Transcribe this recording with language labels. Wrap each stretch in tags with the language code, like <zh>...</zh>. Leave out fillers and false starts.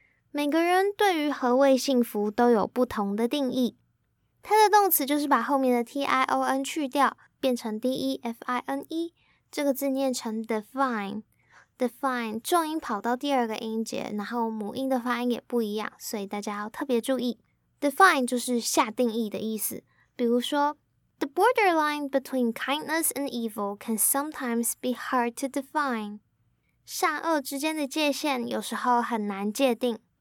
<zh>每个人对于何谓幸福都有不同的定义。它的动词就是把后面的 T-I-O-N 去掉，变成 D-E-F-I-N-E， 这个字念成 define。 Define 重音跑到第二个音节，然后母音的发音也不一样，所以大家要特别注意。 Define 就是下定义的意思。比如说</zh> <en>，The borderline between kindness and evil can sometimes be hard to define.</en> <zh>善恶之间的界限有时候很难界定。</zh>